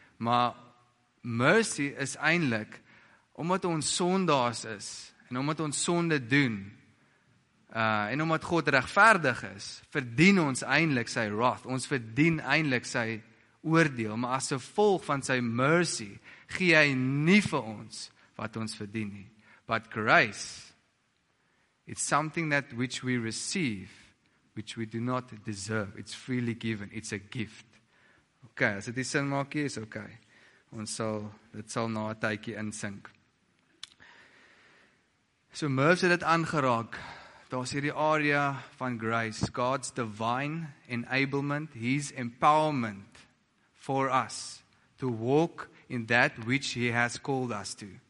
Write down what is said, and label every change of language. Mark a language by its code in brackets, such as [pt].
[af] Maar mercy is eintlik, omdat ons sondaars is, en omdat ons sonde doen, en omdat God regverdig is, verdien ons eintlik sy wrath, ons verdien eintlik sy oordeel, maar as 'n volg van sy mercy, gee hy nie vir ons wat ons verdien nie. [en] But grace, it's something that which we receive, which we do not deserve. It's freely given. It's a gift. Okay, as dit die sin maak, is okay. [af] Dit sal na 'n tydjie insink. So Merv het dit aangeraak. Daar's hierdie area van grace. [en] God's divine enablement, his empowerment for us to walk in that which he has called us to.